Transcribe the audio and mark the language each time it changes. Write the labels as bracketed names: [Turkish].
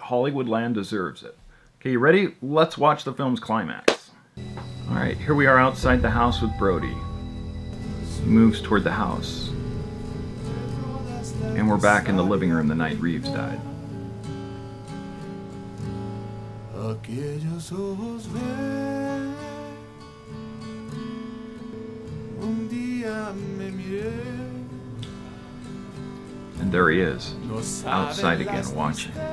[English] Hollywoodland deserves it. Okay, you ready? Let's watch the film's climax. All right, here we are outside the house with Brody. He moves toward the house. And we're back in the living room the night Reeves died. [Spanish] Aquellos ojos ven, un día me miré. [English] And there he is, outside again, watching.